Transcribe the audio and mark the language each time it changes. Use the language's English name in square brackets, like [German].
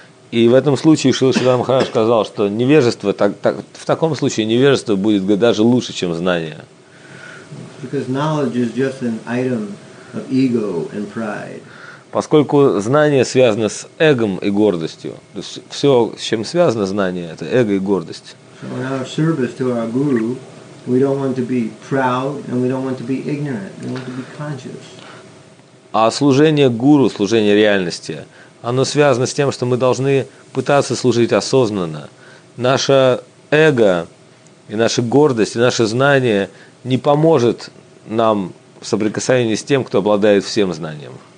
[Russian] И в этом случае Шрила Чандра Махарадж сказал, что невежество, в таком случае невежество будет даже лучше, чем знание. [English] Because knowledge is just an item of ego and pride. [Russian] Поскольку знание связано с эгом и гордостью, то есть все, с чем связано знание, это эго и гордость. [English] So in our service to our guru, we don't want to be proud and we don't want to be ignorant. We want to be conscious. [Russian] А служение гуру, служение реальности, оно связано с тем, что мы должны пытаться служить осознанно. Наше эго и наша гордость и наше знание не поможет нам в соприкосновении с тем, кто обладает всем знанием.